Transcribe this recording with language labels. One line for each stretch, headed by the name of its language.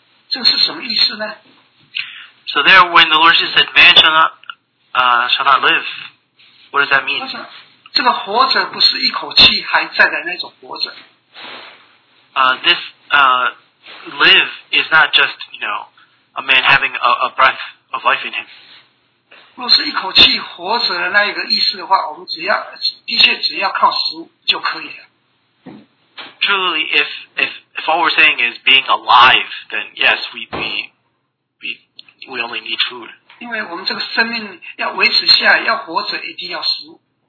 English: So there when the Lord Jesus said man shall not live, what does that mean?
Chinese: 这个活着不是一口气还在的那种活着。
English: This live is not just, you know, a man having a breath of life in him.
Chinese: 若是一口气活着的那个意思的话，我们只要的确只要靠食物就可以了。
English: Truly, if all we're saying is being alive, then yes, we only need food.
Chinese: 因为我们这个生命要维持下来，要活着一定要食物。